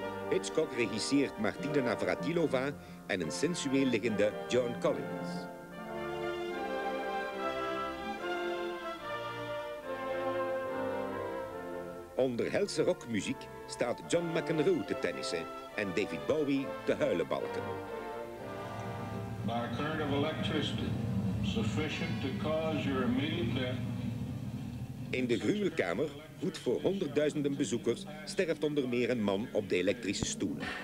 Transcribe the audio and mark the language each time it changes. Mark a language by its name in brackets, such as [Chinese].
[Dutch] Hitchcock regisseert Martina Navratilova en een sensueel liggende Joan Collins. Onder helse rockmuziek staat John McEnroe te tennissen en David Bowie te huilenbalken. [English] By a current of electricity sufficient to cause your immediate death. [Dutch] In de gruwelkamer, goed voor honderdduizenden bezoekers, sterft onder meer een man op de elektrische stoel.